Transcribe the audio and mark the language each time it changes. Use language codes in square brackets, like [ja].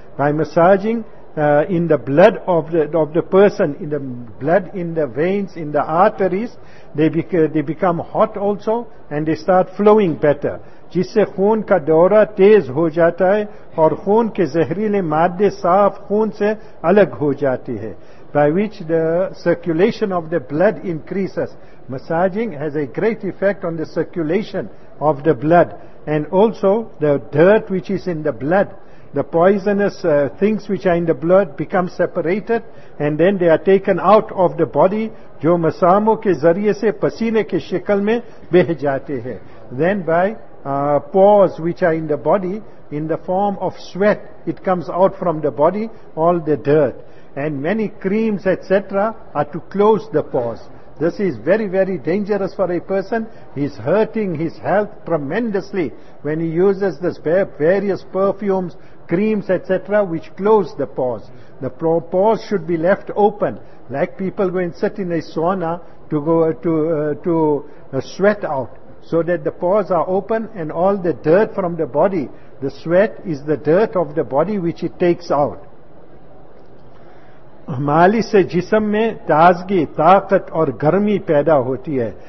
[en] By massaging in the blood of the person, in the blood, in the veins, in the arteries, they become hot also and they start flowing better. [ur] جس سے خون کا دورہ تیز ہو جاتا ہے اور خون کے زہریلے مادے صاف خون سے الگ ہو جاتی ہے. [en] By which the circulation of the blood increases. Massaging has a great effect on the circulation of the blood, and also the dirt which is in the blood, the poisonous things which are in the blood become separated and then they are taken out of the body. [ur] جو مساموں کے ذریعے سے پسینے کے شکل میں بہ جاتے ہیں. [en] Then by pores which are in the body, in the form of sweat, it comes out from the body, all the dirt. And many creams, etc., are to close the pores. This is very, very dangerous for a person. He is hurting his health tremendously when he uses this various perfumes, creams, etc., which close the pores. The pores should be left open. Like people go and sit in a sauna to sweat out, so that the pores are open and all the dirt from the body, the sweat is the dirt of the body which it takes out. [ur] مالش سے جسم میں تازگی طاقت اور گرمی پیدا ہوتی ہے.